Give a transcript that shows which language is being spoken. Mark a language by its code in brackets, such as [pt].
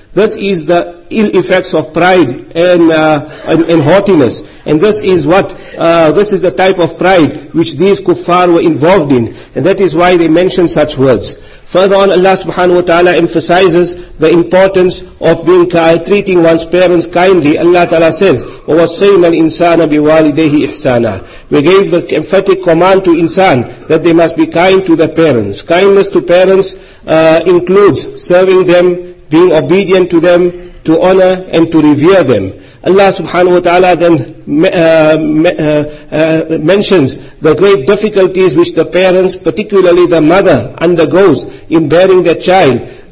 [en] This is the ill effects of pride and haughtiness. And this is what this is the type of pride which these kuffar were involved in. And that is why they mention such words. Further on, Allah subhanahu wa ta'ala emphasizes the importance of being treating one's parents kindly. Allah ta'ala says, [ar] وَوَصَّيْنَا الْإِنسَانَ بِوَالِدَيْهِ إِحْسَانًا. [en] We gave the emphatic command to insan that they must be kind to their parents. Kindness to parents includes serving them, being obedient to them, to honor and to revere them. Allah subhanahu wa ta'ala then mentions the great difficulties which the parents, particularly the mother, undergoes in bearing their child.